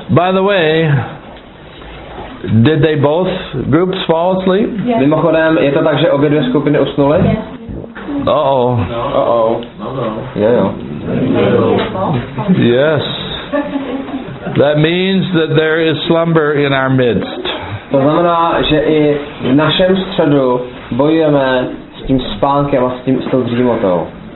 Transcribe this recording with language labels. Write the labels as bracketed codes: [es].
[en] By the way, did they both groups fall asleep? Yes. [cs] Mimochodem, je to tak, že obě dvě skupiny usnuly? [en] Yes. Uh-oh. No. Uh-oh. No. Yeah. No. Yes. That means that there is slumber in our midst. [cs] To znamená, že i v našem středu bojujeme s tím spánkem a s tou dřímotou.